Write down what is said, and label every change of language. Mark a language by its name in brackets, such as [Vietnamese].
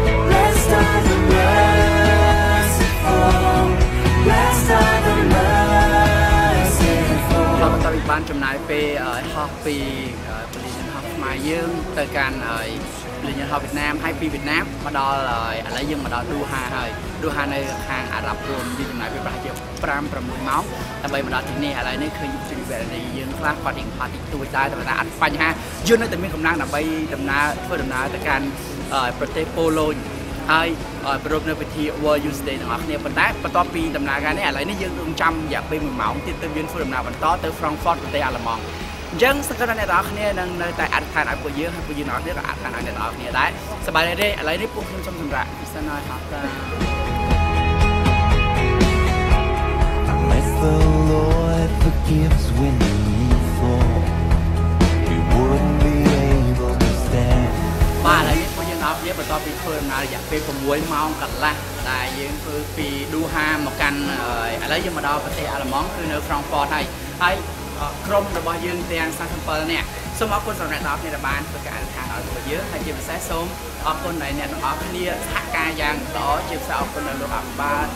[English] Let's start the merciful. Let's start the merciful. [Khmer] ហើយតាមបានចំណាយពេលហោះពីប្រលានហោះខ្មែរយើងទៅកាន់ហើយប្រលានហោះវៀតណាមហើយពីវៀតណាមមកដល់ហើយឥឡូវយើងមកដល់ឌូហាហើយឌូហានៅខាងអារ៉ាប់រួមមានចំណាយពេលប្រហែលជា5 6ម៉ោងដើម្បីមកដល់ទីនេះឥឡូវនេះឃើញជិះវេននេះយើងខ្លះគាត់រៀងផាត់តិចតួចដែរតែថាអត់បញ្ហាយើងនៅតែមានកម្លាំងដើម្បីដំណើរធ្វើដំណើរទៅកាន់ ប្រទេសប៉ូឡូញហើយប្រមូលនៅពិធី World Youth Day ទាំងអស់គ្នាប៉ុន្តែបន្ទាប់ពីដំណើរការនេះឥឡូវនេះយើងនឹងចាំរយៈពេល1ម៉ោងទៀតទៅយើងធ្វើដំណើរបន្តទៅ Frankfurt ប្រទេសអាល្លឺម៉ង់អញ្ចឹងសង្កត់ដល់អ្នកទាំងអស់គ្នានឹងនៅតែអត់ខានឲ្យពួកយើងហើយពួកយើងអត់ទៀតក៏អត់ខានឲ្យអ្នកទាំងអស់គ្នាដែរសប្បាយទេឥឡូវនេះពួកខ្ញុំសូមសម្រាប់ពិសេសហើយថាតា [English] The Lord forgives when you fall. You wouldn't be able to stand. [Khmer] បាទហើយពួកយើងអរគុណបន្តពីធ្វើដំណើររយៈពេល6ម៉ោងកន្លះដែលយើងធ្វើពីឌូហាមកកាន់ឥឡូវយើងមកដល់ប្រទេសអាល្លឺម៉ង់គឺនៅហ្វ្រង់ហ្វតហើយហើយក្រុមរបស់យើងទាំង37នាក់សូមអរគុណសម្រាប់ដល់គ្នាដែលបានធ្វើការតាមឲ្យពួកយើងហើយជាពិសេសសូមអរគុណដល់អ្នកទាំងអស់គ្នាសហការយ៉ាងល្អជាពិសេសអរគុណដល់លោកអាបា